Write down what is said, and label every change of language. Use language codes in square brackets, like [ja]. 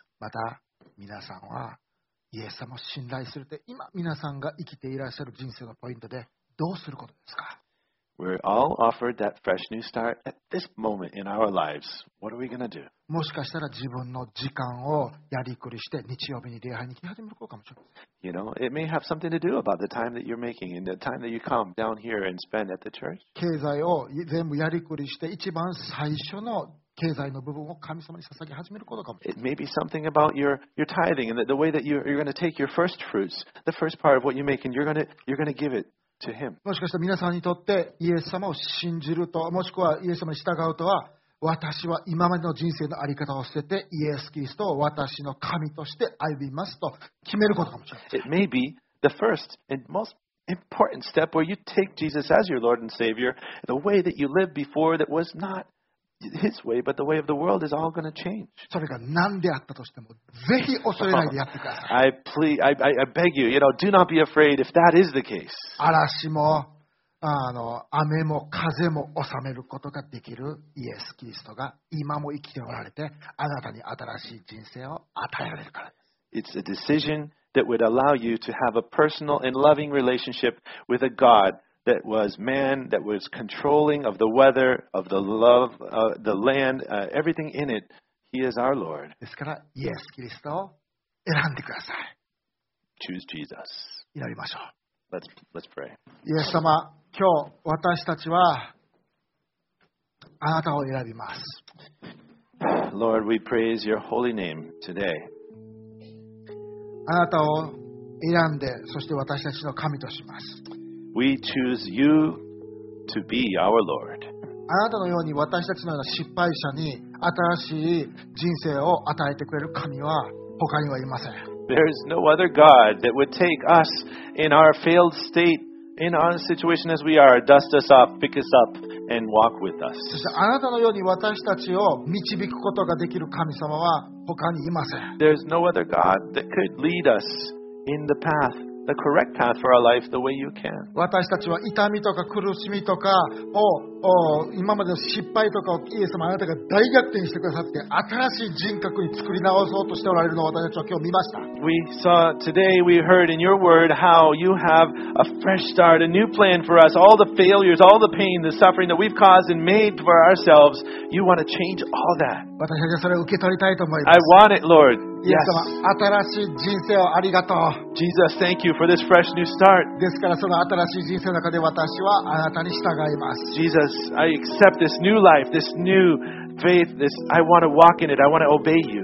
[ja] また皆さんは。イエス様を信頼するって今皆さんが生きていらっしゃる人生のポイントでどうすることですか？ [en] We're all offered that fresh new start at this moment in our lives. What are we gonna do? [ja] もしかしたら自分の時間をやりくりして日曜日に礼拝に来始めるかもしれません。 [en] You know, it may have something to do about the time that you're making and the time that you come down here and spend at the church. [ja] 経済を全部やりくりして一番最初の経済の部分を神様に捧げ始めることかもしれない。 [en] It may be something about your tithing and the way that you're going to take your first fruits, the first part of what you make, and you're going to give it to Him. [ja] もしかしたら皆さんにとってイエス様を信じると、もしくはイエス様に従うとは、私は今までの人生のあり方を捨ててイエスキリストを私の神として歩みますと決めることかもしれない。 [en] It may be the first and most important step where you take Jesus as your Lord and Savior, the way that you lived before that was not. His way, but the way of the world is all going to change. [ja] それが何であったとしても、ぜひ恐れないでやってください。 [en] I beg you, you know, do not be afraid if that is the case. [ja] 嵐も、雨も風も収めることができるイエス・キリストが今も生きておられて、あなたに新しい人生を与えられるからです。 [en] It's a decision that would allow you to have a personal and loving relationship with a God. That was man that was controlling of the weather, of the love, the land, everything in it. He is our Lord. [ja] ですから、イエス・キリストを選んでください。 [en] Choose Jesus. [ja] 祈りましょう。 [en] Let's pray. [ja] イエス様、今日私たちはあなたを選びます。 [en] Lord, we praise your holy name today. [ja] あなたを選んで、そして私たちの神とします。 [en] We choose you to be our Lord. [ja] あなたのように私たちのような失敗者に新しい人生を与えてくれる神は他にはいません。 [en] There is no other God that would take us in our failed state, in our situation as we are, dust us off, pick us up, and walk with us. [ja] そしてあなたのように私たちを導くことができる神様は他にいません。 [en] There is no other God that could lead us in the path. The correct path for our life, the way you can. [ja] 私たちは痛みとか苦しみとかを今までの失敗とかをイエス様あなたが大逆転してくださって新しい人格に作り直そうとしておられるのを私たちは今日見ました。 [en] We saw today, we heard in your word how you have a fresh start, a new plan for us. All the failures, all the pain, the suffering that we've caused and made for ourselves, you want to change all that. [ja] 私たちはそれを受け取りたいと思います。 [en] I want it, Lord. [ja] イエス様、新しい人生をありがとう。 [en] Jesus, thank you for this fresh new start. [ja] ですからその新しい人生の中で私はあなたに従います。 [en] Jesus, I accept this new life, this new faith, this, I want to walk in it, I want to obey you.